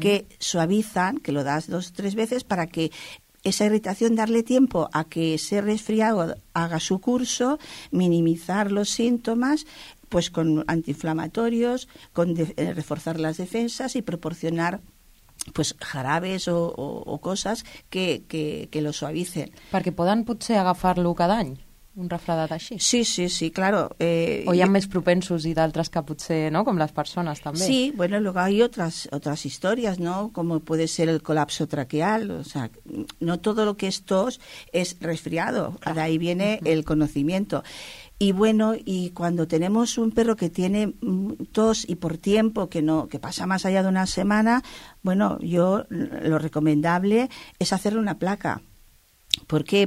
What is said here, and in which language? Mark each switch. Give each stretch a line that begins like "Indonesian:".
Spanish: que suavizan, que lo das 2 o 3 veces para que esa irritación, darle tiempo a que ese resfriado haga su curso, minimizar los síntomas, pues con antiinflamatorios, con reforzar las defensas y proporcionar pues jarabes o cosas que lo suavicen.
Catalan: Perquè poden potser agafar-lo cada any, un refredat així.
Spanish: Sí, sí, sí, claro.
Catalan: O hi ha més propensos i d'altres que potser, no?, com les persones també.
Spanish: Sí, bueno, luego hay otras historias, ¿no?, como puede ser el colapso traqueal, o sea, no todo lo que es tos es resfriado, claro. De ahí viene el conocimiento. Y bueno, y cuando tenemos un perro que tiene tos y por tiempo, que pasa más allá de una semana, bueno, yo lo recomendable es hacerle una placa. ¿Por qué?